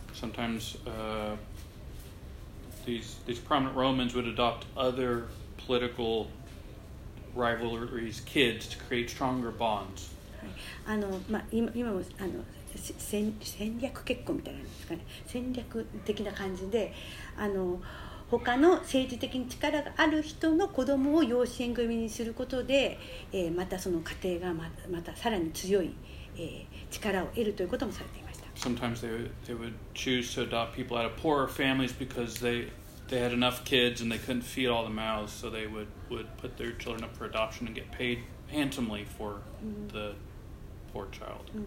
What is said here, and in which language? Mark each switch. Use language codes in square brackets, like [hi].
[en] Sometimes、These prominent Romans would adopt other political rivalries' kids to create stronger bonds. [ja] あの、まあ、今もあの戦略結婚みたいなんですかね、戦略的な感じで、あの他の政治的に力がある人の子供を養子縁組にすることで、またその家庭がまたさらに強い、力を得るということもされています。 [en] Sometimes they would choose to adopt people out of poorer families because they had enough kids and they couldn't feed all the mouths, so they would put their children up for adoption and get paid handsomely for the poor child.